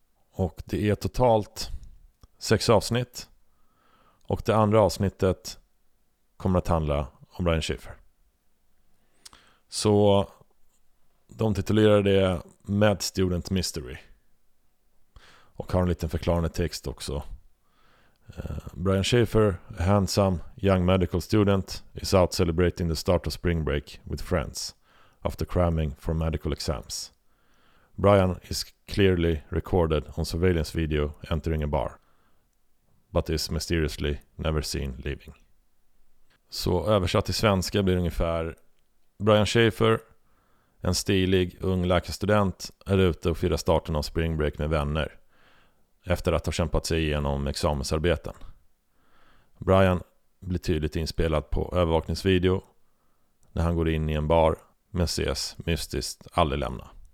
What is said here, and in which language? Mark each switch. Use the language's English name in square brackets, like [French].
[Swedish] Och det är totalt 6 avsnitt. Och det andra avsnittet kommer att handla om Brian Schaefer. Så de titulerar det Med Student Mystery. Och har en liten förklarande text också. [English] Brian Schaefer, a handsome young medical student, is out celebrating the start of spring break with friends after cramming for medical exams. Brian is clearly recorded on surveillance video entering a bar, but is mysteriously never seen leaving. [Swedish] Så översatt till svenska blir ungefär: Brian Schaefer, en stilig ung läkarstudent, är ute och firar starten av spring break med vänner efter att ha kämpat sig igenom examensarbeten. Brian blir tydligt inspelad på övervakningsvideo när han går in i en bar men ses mystiskt aldrig lämna.